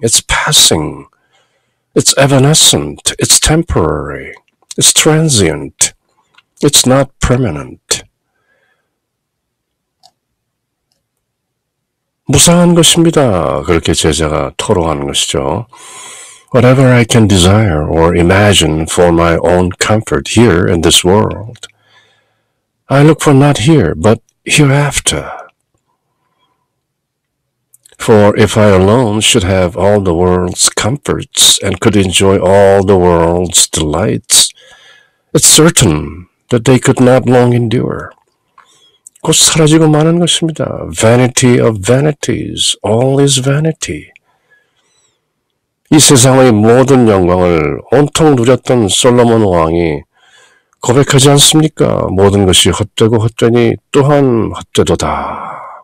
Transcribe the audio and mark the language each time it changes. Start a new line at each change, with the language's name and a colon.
English: It's passing. It's evanescent. It's temporary. It's transient. It's not permanent.
Korean: 무상한 것입니다. 그렇게 제자가 토로하는 것이죠.
English: Whatever I can desire or imagine for my own comfort here in this world, I look for not here, but hereafter. For if I alone should have all the world's comforts and could enjoy all the world's delights, it's certain that they could not long endure.
Korean: 곧 사라지고 마는 것입니다.
English: Vanity of vanities, all is vanity.
Korean: 이 세상의 모든 영광을 온통 누렸던 솔로몬 왕이 고백하지 않습니까? 모든 것이 헛되고 헛되니 또한 헛되도다.